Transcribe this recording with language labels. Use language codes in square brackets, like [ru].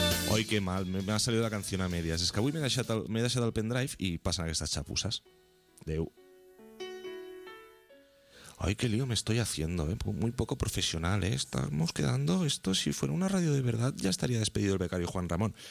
[es] Oi, que mal, [ca] m'ha [es] salido la canción a medias. [ca] És que avui m'he deixat el pendrive i passen aquestes xapusses. Adeu! [es] Ay, qué lío me estoy haciendo, ¿eh? Muy poco profesional, ¿eh? Estamos quedando esto. Si fuera una radio de verdad, ya estaría despedido el becario Juan Ramón.